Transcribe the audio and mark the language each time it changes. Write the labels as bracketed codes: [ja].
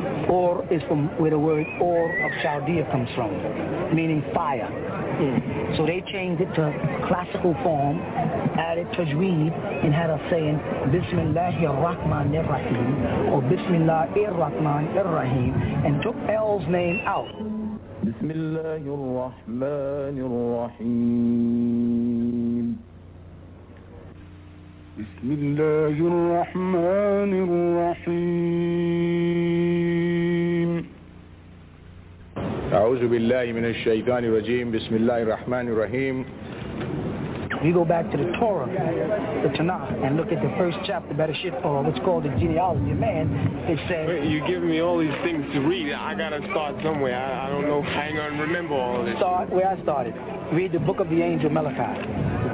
[en] Ur is from where the word Ur of Chaldea comes from, meaning fire. So they changed it to classical form, added tajweed, and had us saying [ar] Bismillahir Rahmanir Rahim [en] or Bismillahir Rahmanir Rahim, and took El's name out. [ar] بسم الله الرحمن الرحيم بسم الله الرحمن الرحيم أعوذ بالله من الشيطان الرجيم بسم الله الرحمن الرحيم. [en] We go back to the Torah, the Tanakh, and look at the first chapter, what's called the genealogy of man. It says... Wait, you're giving me all these things to read. I got to start somewhere. I don't know if I'm going to remember all this. Start where I started. Read the book of the angel Malachi.